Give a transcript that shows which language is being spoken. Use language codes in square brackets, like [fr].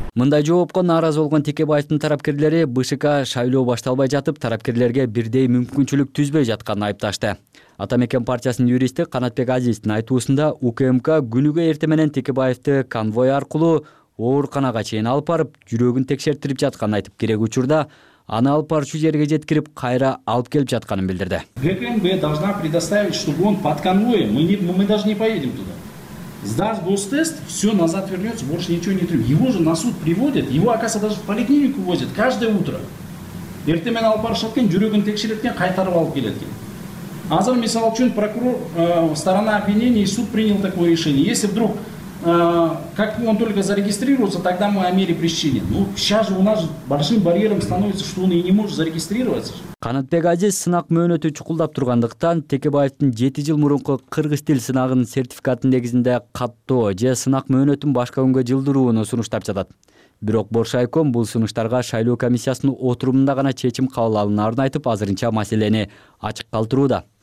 [ky] Мындай жоопко нааразы болгон Текебаевдин тарапкерлери БШК шайлоо башталбай жатып тарапкерлерге бирдей мүмкүнчүлүк түзбөй жатканын айыпташты. Ата мекен партиясынын юристи Канатбек Азиздин айтуусунда УКМК күнүгө эртең менен Текебаевди конвой аркылуу ооруканага чейин алып барып, жүрөгүн текшертирип жатканын айтып, керек учурда аны алып барчу жерге жеткирип, кайра алып келип жатканын билдирди. [ru] ГКНБ должна предоставить, чтобы он под конвоем. Мы даже не поедем туда. Сдаст гостест, все назад вернется, больше ничего не требует. Его же на суд приводят, его, оказывается, даже в поликлинику возят каждое утро. [ky] Эрте менен алып барышат экен, жүрөгүн текшерет экен, кайтарып алып келет экен. Азыр мисалы үчүн прокурор [ru] сторона обвинения и суд принял такое решение. Если вдруг как он только зарегистрируется, тогда мы о мере пресечения. Ну, сейчас же у нас большим барьером становится, что он и не может зарегистрироваться. [ky] Канатбек Азиз сынак мөөнөтү чукулдап тургандыктан Текебаевдин 7 жыл мурунку кыргыз тил сынагынын сертификатын негизинде каттоо же сынак мөөнөтүн башка күнгө жылдырууну сунуштап жатат. Бирок Боршайком бул сунуштарга шайлоо комиссиясынын отурумунда гана чечим кабыл алынарын айтып, азырынча маселени ачык калтырууда.